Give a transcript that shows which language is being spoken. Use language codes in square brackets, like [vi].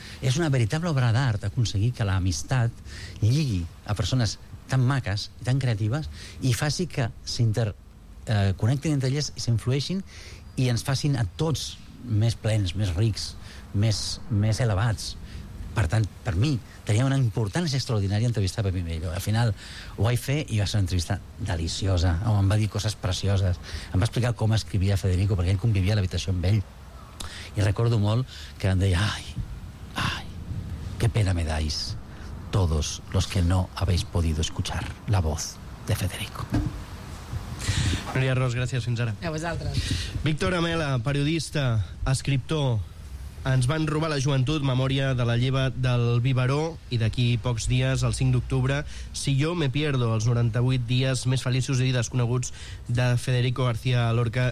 [ca] És una veritable obra d'art aconseguir que l'amistat lligui a persones tan maques i tan creatives i faci que s'interconnectin entre elles i s'influeixin i ens facin a tots més plens, més rics, més elevats. Per tant, per mi, tenia una importància extraordinària entrevistar Pepín Bello. Al final ho vaig fer i va ser una entrevista deliciosa. Em va dir coses precioses. Em va explicar com escrivia Federico, perquè ell convivia a l'habitació amb ell. I recordo molt que em deia [es] ai, que pena me dais todos los que no habéis podido escuchar la voz de Federico. [ca] Núria Ros, gràcies, fins ara. A vosaltres. Víctor Amela, periodista, escriptor. Ens van robar la joventut, memòria de la lleva del biberó, i d'aquí pocs dies, el 5 d'octubre, Si yo me pierdo, els 98 dies més feliços i desconeguts de Federico García Lorca.